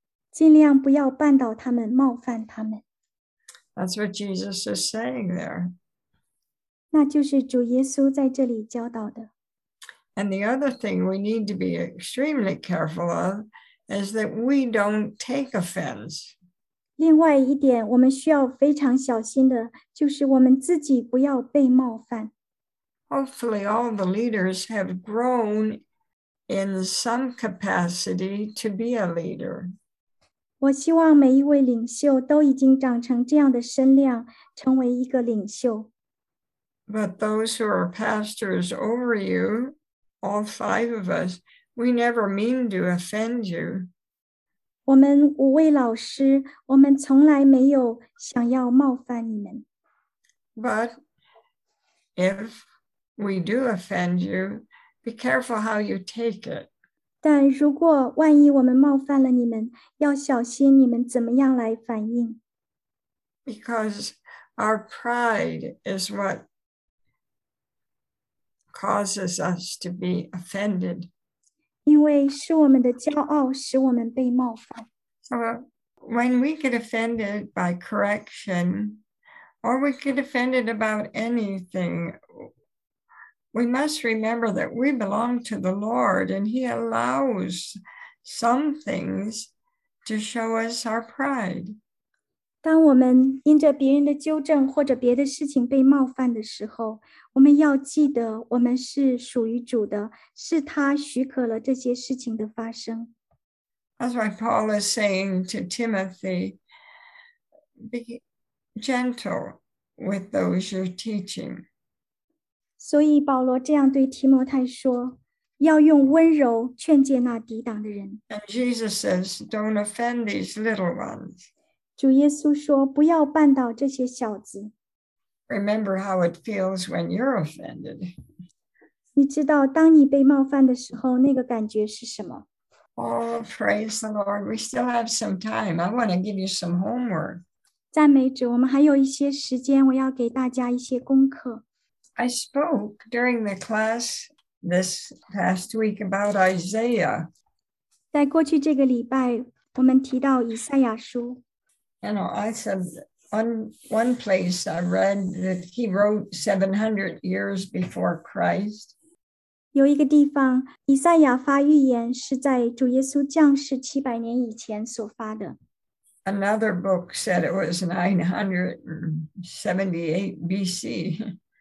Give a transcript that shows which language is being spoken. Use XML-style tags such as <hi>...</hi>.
<zh>尽量不要绊倒他们，冒犯他们。</zh> <en>That's what Jesus is saying there.</en> <zh>那就是主耶稣在这里教导的。</zh> <en>And the other thing we need to be extremely careful of is that we don't take offense.</en> <zh>另外一点我们需要非常小心的，就是我们自己不要被冒犯。</zh> <en>Hopefully all the leaders have grown in some capacity to be a leader.</en> <zh>我希望每一位领袖都已经长成这样的身量，成为一个领袖。</zh> <en>But those who are pastors over you, all five of us, we never mean to offend you.</en> <zh>我们五位老师，我们从来没有想要冒犯你们。</zh> <en>But if we do offend you, be careful how you take it.</en> <zh>但如果万一我们冒犯了你们，要小心你们怎么样来反应。</zh> <en>Because our pride is what causes us to be offended.</en> <zh>因为是我们的骄傲使我们被冒犯。</zh> <en>So when we get offended by correction, or we get offended about anything, we must remember that we belong to the Lord and he allows some things to show us our pride.</en> <zh>当我们因着别人的纠正或者别的事情被冒犯的时候，我们要记得我们是属于主的，是他许可了这些事情的发生。</zh> <en>That's why Paul is saying to Timothy, be gentle with those you're teaching.</en> <zh>所以保罗这样对提摩太说，要用温柔劝诫那抵挡的人。</zh> <en>And Jesus says, don't offend these little ones.</en> <zh>主耶稣说，不要绊倒这些小子。</zh> <en>Remember how it feels when you're offended.</en> <zh>你知道当你被冒犯的时候，那个感觉是什么？</zh> <en>Oh, praise the Lord. We still have some time. I want to give you some homework.</en> <zh>赞美主，我们还有一些时间，我要给大家一些功课。</zh> <en>I spoke during the class this past week about Isaiah.</en> <zh>在过去这个礼拜，我们提到以赛亚书。</zh> <en>You know, I said One place I read that he wrote 700 years before Christ.</en> <zh>有一个地方，以赛亚发预言是在主耶稣降世700年以前所发的。</zh> <en>Another book said it was 978 BC.</en>